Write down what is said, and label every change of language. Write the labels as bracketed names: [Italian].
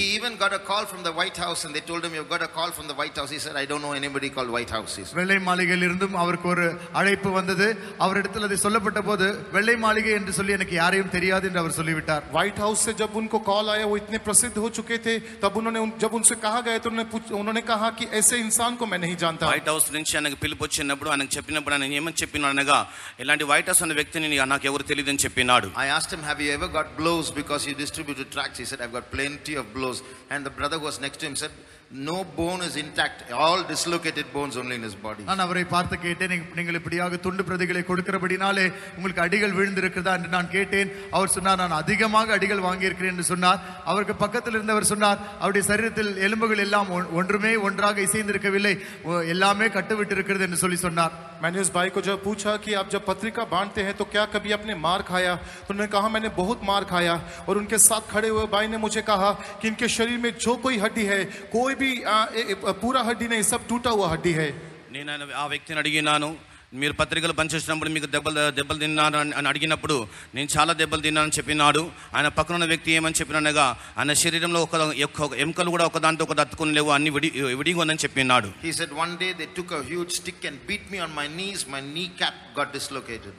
[English] He even got a call from the White House and they told him you've got a call from the White House. He said I don't know anybody called White House. [Tamil] வெள்ளை மாளிகையில் இருந்தும் அவருக்கு ஒரு அழைப்பு வந்தது. அவரிடத்தில் அது சொல்லப்பட்டபோது வெள்ளை மாளிகை என்று சொல்லி எனக்கு யாரையும் தெரியாது என்று அவர் சொல்லிவிட்டார். [Hindi] White House से जब उनको कॉल आया वो इतने प्रसिद्ध हो चुके थे तब उन्होंने जब उनसे कहा गया तो उन्होंने कहा कि ऐसे इंसान को मैं नहीं जानता. [Telugu] White House నుంచి నాకు పిలుపు వచ్చినప్పుడు ఆయనకు చెప్పినప్పుడు ఆయన ఏమని చెప్పినారనగా ఇలాంటి White House అనే వ్యక్తిని నాకు ఎవరు తెలియదని చెప్పినాడు. [English] I asked him have you ever got blows because you distributed tracts. He said I've got plenty of blows. And the brother who was next to him said no bone is intact, all dislocated bones only in his body. [Tamil] நான் அவரை பார்த்து கேட்டேன் நீங்கள் இப்படியாக துண்டு பிரதிகளை கொடுக்கிறபடினாலே உங்களுக்கு அடிகள் விழுந்திருக்கிறதா என்று நான் கேட்டேன். அவர் சொன்னார் நான் அதிகமாக அடிகள் வாங்கியிருக்கிறேன் என்று சொன்னார். அவருக்கு பக்கத்தில் இருந்தவர் சொன்னார் அவருடைய சரீரத்தில் எலும்புகள் எல்லாம் ஒன்றுமே ஒன்றாக இசைந்திருக்கவில்லை, எல்லாமே கட்டுவிட்டு இருக்கிறது என்று சொல்லி சொன்னார். [Hindi] मैंने उस भाई को जब पूछा कि आप जब पत्रिका बांटते हैं तो क्या कभी आपने मार खाया, तो उन्होंने कहा मैंने बहुत मार खाया. और उनके साथ खड़े हुए भाई ने मुझे कहा कि इनके शरीर में जो कोई हड्डी है, कोई भी पूरा हड्डी नहीं, सब टूटा हुआ हड्डी है. [Telugu] नहीं ना आ व्यक्ति ने अड़ी नानू మీరు పత్రికలు పనిచేసినప్పుడు మీకు దెబ్బలు తిన్నాను అని అడిగినప్పుడు నేను చాలా దెబ్బలు తిన్నానని చెప్పినాడు. ఆయన పక్కన ఉన్న వ్యక్తి ఏమని చెప్పినగా ఆయన శరీరంలో ఒక ఎముకలు కూడా ఒకదానితో ఒక దత్తుకుని లేవు, అన్ని విడిగా ఉందని చెప్పినాడు. [English] He said one day they took a huge stick and beat me on my knees, my knee cap got dislocated.